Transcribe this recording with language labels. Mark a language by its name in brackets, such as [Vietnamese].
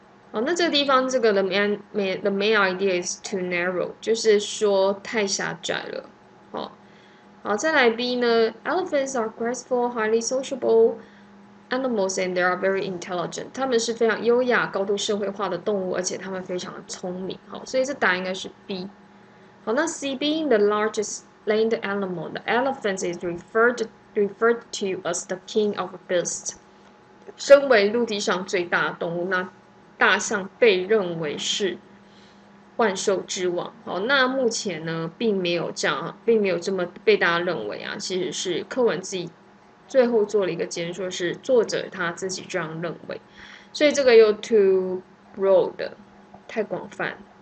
[Chinese] 好，那这个地方这个 [English] the main idea is too narrow， [Chinese] 就是说太狭窄了。好，好，再来 B 呢 ， [English] Elephants are graceful, highly sociable。 Animals and they are very intelligent. [Chinese] 他们是非常优雅、高度社会化的动物，而且他们非常的聪明。好，所以这答案应该是 B。好，那 [English] C being the largest land animal, the elephant is referred to as the king of beasts. [Chinese] 身为陆地上最大的动物，那大象被认为是万兽之王。好，那目前呢，并没有这样，并没有这么被大家认为啊。其实是课文自己。最后做了一个结论，说是作者他自己这样认为，所以这个又 [English] too broad， [Chinese] 太广泛。